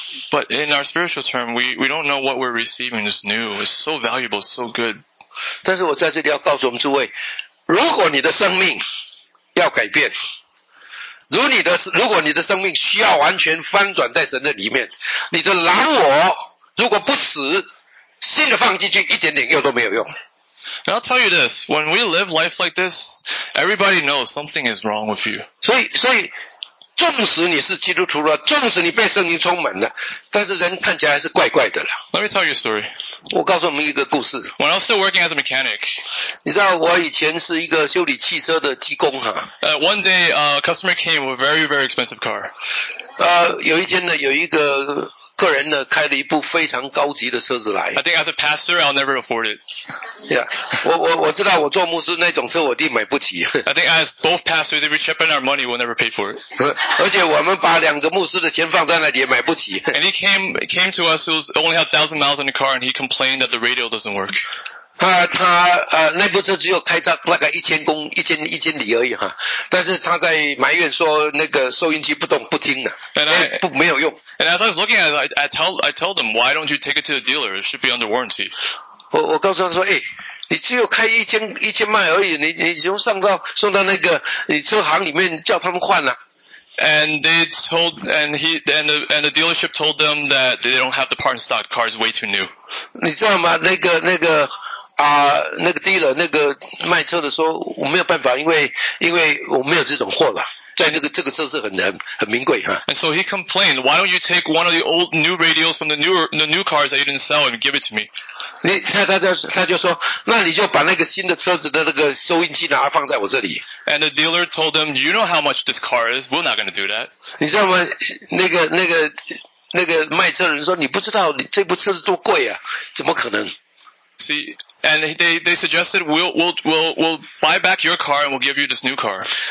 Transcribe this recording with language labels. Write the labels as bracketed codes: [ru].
[en] But in our spiritual term, we don't know what we're receiving is new. It's so valuable, so good. [zh] 但是我在这里要告诉我们诸位，如果你的生命要改变，如果你的生命需要完全翻转在神的里面，你的老我如果不死，新的放进去一点点用都没有用。 [en] And I'll tell you this, when we live life like this, everybody knows something is wrong with you. [zh] 所以纵使你是基督徒了，纵使你被圣灵充满了，但是人看起来还是怪怪的了。 [en] Let me tell you a story. [zh] 我告诉我们一个故事。 [en] When I was still working as a mechanic, [zh] 你知道我以前是一个修理汽车的技工哈。 [en] One day, customer came with a very, very expensive car. [zh] 有一间呢，有一个客人呢，开了一部非常高级的车子来。 [en] I think as a pastor, I'll never afford it. [zh] Yeah, 我知道我做牧师那种车我弟买不起。 [en] I think as both pastors, if we chip in our money, we'll never pay for it. [zh] 而且我们把两个牧师的钱放在那里也买不起。 [en] And he came to us, only had 1,000 miles in the car, and he complained that the radio doesn't work. [zh] 他那部车只有开到大概一千里而已哈，但是他在埋怨说那个收音机不动不听的，没有用。 [en] And as I was looking at it, I told them, why don't you take it to the dealer? It should be under warranty. [zh] 我告诉他说，你只有开一千迈而已，你只用送到那个你车行里面叫他们换了。 [en] And they told, and he, and the dealership told them that they don't have the part in stock. Car is way too new. [zh] 你知道吗？那个。那个 dealer 那个卖车的说我没有办法，因为我没有这种货了，在这个车是很名贵哈。 [en] And so he complained, why don't you take one of the old new radios from the new cars that you didn't sell and give it to me? [zh] 他就说，那你就把那个新的车子的那个收音机拿放在我这里。 [en] And the dealer told them, you know how much this car is, we're not going to do that. [zh] 你知道吗？那个卖车人说，你不知道你这部车子多贵啊，怎么可能？ [en] See, and they suggested we'll buy back your car and we'll give you this new car.